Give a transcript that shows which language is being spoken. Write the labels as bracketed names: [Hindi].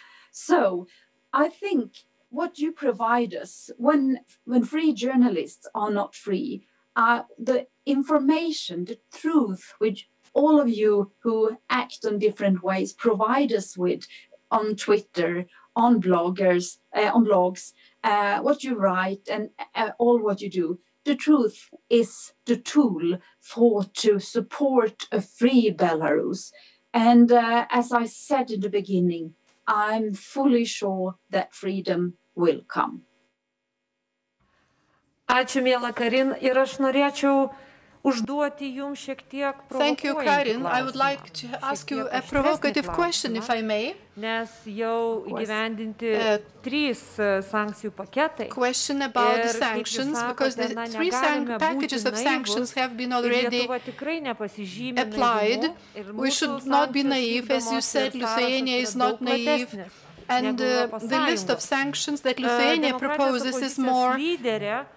[English] So I think what you provide us when free journalists are not free, the information, the truth, which all of you who act in different ways provide us with on Twitter, on bloggers, on blogs, what you write and all what you do, the truth is the tool to support a free Belarus. And as I said in the beginning, I'm fully sure that freedom will come. [Lithuanian] Ačiū, mėla Karin, ir aš norėčiau užduoti jums šiek tiek provokuojantį klausimą. [English] Thank you, Karin. I would like to ask you a provocative question, if I may. [Lithuanian] Nes jau įgyvendinti trys sankcijų paketai. [English] Question about the sanctions, because the three packages of sanctions have been already applied. We should not be naive, as you said, Lithuania is not naive. And the list of sanctions that Lithuania proposes is more wider.